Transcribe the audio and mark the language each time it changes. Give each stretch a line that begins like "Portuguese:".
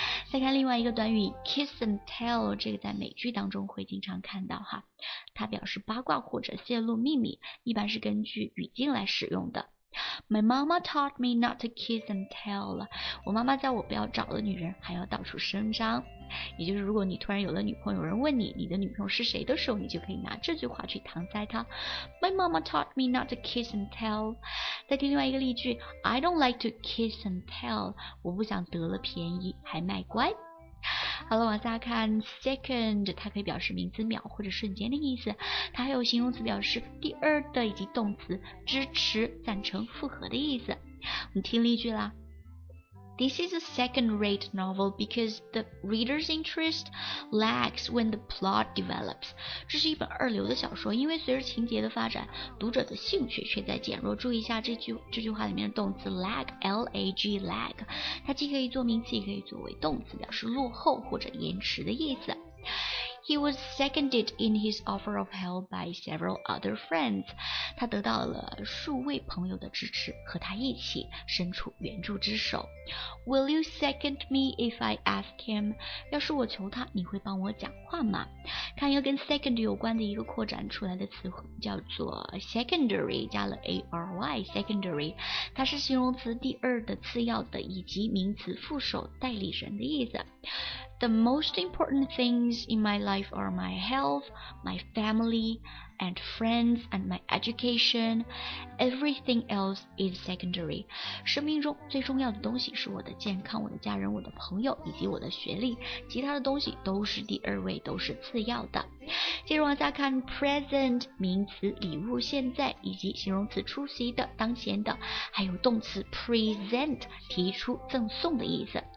Chinese: 再看另外一个短语 kiss and tell， 这个在美剧当中会经常看到哈，它表示八卦或者泄露秘密，一般是根据语境来使用的。
English: My mama taught me not to kiss and tell
Chinese: 了，我妈妈教我不要找了女人还要到处声张。也就是如果你突然有了女朋友，有人问你的女朋友是谁的时候，你就可以拿这句话去搪塞她。
English: My mama taught me not to kiss and tell.
Chinese: 再听另外一个例句，
English: I don't like to kiss and tell.
Chinese: 我不想得了便宜还卖乖。好了，往下看 second， 它可以表示名词秒或者瞬间的意思，它还有形容词表示第二的以及动词支持、赞成、复合的意思。我们听例句啦。
English: This is a second-rate novel because the reader's interest lags when the plot develops.
Chinese: 这是一本二流的小说，因为随着情节的发展，读者的兴趣却在减弱。注意一下这句话里面的动词 lag， 它既可以做名词，也可以作为动词，表示落后或者延迟的意思。
English: He was seconded in his offer of help by several other friends.
Chinese: 他得到了数位朋友的支持，和他一起伸出援助之手。
English: Will you second me if I ask him?
Chinese: 要是我求他，你会帮我讲话吗？看一个跟 second 有关的一个扩展出来的词，叫做 secondary， 加了 ary，secondary， 它是形容词，第二的、次要的，以及名词，副手、代理人的意思。
English: The most important things in my life are my health, my family, and friends, and my education. Everything else is secondary.
Chinese: 生命中最重要的东西是我的健康、我的家人、我的朋友以及我的学历，其他的东西都是第二位，都是次要的。接着往下看 present 名词礼物现在，以及形容词出席的、当前的，还有动词 present 提出、赠送的意思。